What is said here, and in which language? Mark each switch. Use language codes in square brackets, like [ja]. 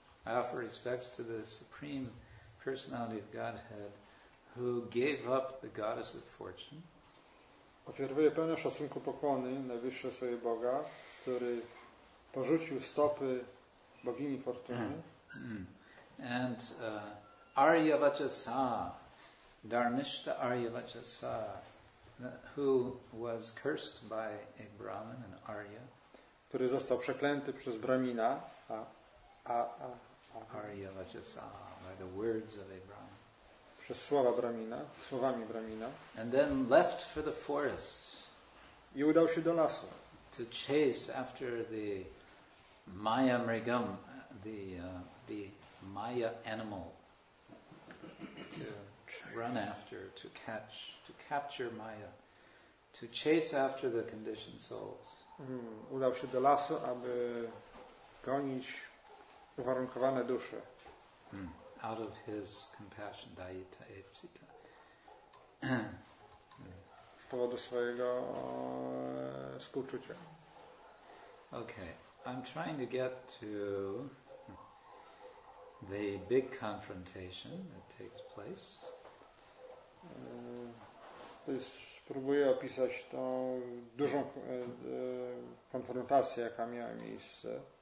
[en] I offer respects to the Supreme Personality of Godhead who gave up the goddess of fortune. [pl] Ofiarowuje pełne szacunku pokłony najwyższe sobie Boga, który porzucił stopy bogini fortuny. [en] And Aryavachasa, Dharmishta Aryavachasa, who was cursed by a Brahmin, an Arya. [pl] Który został przeklęty przez Brahmina, [en] Aryavachasa, by the words of a Brahmin. [pl] Przez słowa Brahmina, słowami Brahmina. [en] And then left for the forest. [pl] I udał się do lasu. [en] To chase after the Maya Mrigam, the Maya animal. To run after, to catch, to capture Maya. To chase after the conditioned souls. [pl] Udał się do lasu, aby gonić uwarunkowane dusze. [en] Out of his compassion, daita epsita. [pl] Z powodu swojego współczucia. [en] Okay, I'm trying to get to the big confrontation that takes place. [pl] To jest spróbuję opisać tą dużą konfrontację, jaka miała miejsce.